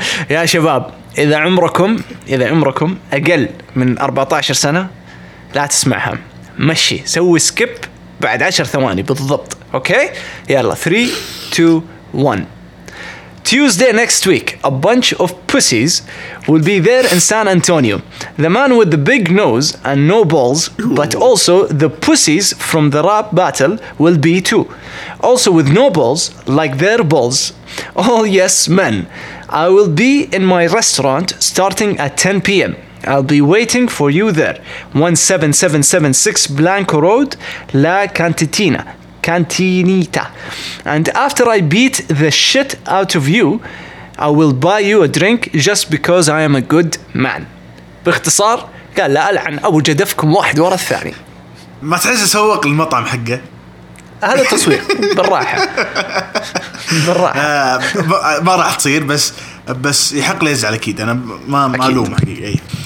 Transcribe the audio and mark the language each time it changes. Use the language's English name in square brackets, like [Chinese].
[Arabic] يا شباب اذا عمركم اقل من 14 سنة لا تسمعها, مشي سوي سكيب بعد 10 ثواني بالضبط. اوكي يلا 3 2 1. [English] Tuesday next week, a bunch of pussies will be there in San Antonio. The man with the big nose and no balls, but also the pussies from the rap battle will be too. Also with no balls, like their balls. All yes men. I will be in my restaurant starting at 10 p.m. I'll be waiting for you there. 17776 Blanco Road, La Cantina. Cantinita. And after I beat the shit out of you, I will buy you a drink just because I am a good man. [Arabic] باختصار قال لا ألعن أبو جدفكم واحد ورا الثاني. ما تحس سوق المطعم حقه؟ هذا تصوير بالراحة. بالراحة. ما راح تصير بس يحق لي يزعل أكيد. أنا ما ألوم حقيقة.